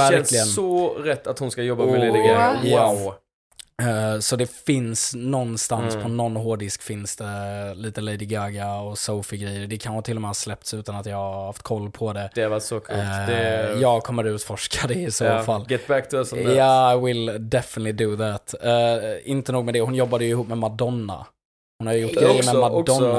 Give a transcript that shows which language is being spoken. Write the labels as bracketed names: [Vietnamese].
[Swedish] Känns så rätt att hon ska jobba med Lady Gaga. Wow. Så det finns någonstans på någon hårddisk finns det lite Lady Gaga och Sophie-grejer. Det kan till och med ha släppts utan att jag har haft koll på det. Det var så coolt. Jag kommer att utforska det i så fall. [English] Get back to us on that. Yeah, I will definitely do that. [Swedish] Inte nog med det, hon jobbade ju ihop med Madonna. Hon har ju gjort det med Madonna.